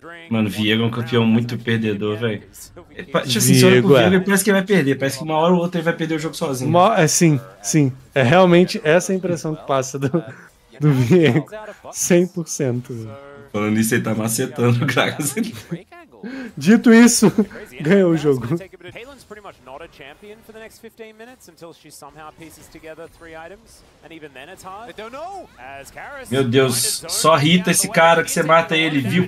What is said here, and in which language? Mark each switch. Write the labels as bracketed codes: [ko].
[pt] Mano, Viego é um campeão muito perdedor, velho. Deixa eu ver com o Viego, parece que ele vai perder. Parece que uma hora ou outra ele vai perder o jogo sozinho. Sim. É realmente essa a impressão que passa do Viego. 100%. Falando nisso, ele tá macetando o Gragas. Dito isso, ganhou o jogo. [en] Caitlyn's pretty much not a champion for the next 15 minutes until she somehow pieces together three items. And even then it's hard. I don't know. [pt] Meu Deus, só irrita esse cara que você mata ele, viu?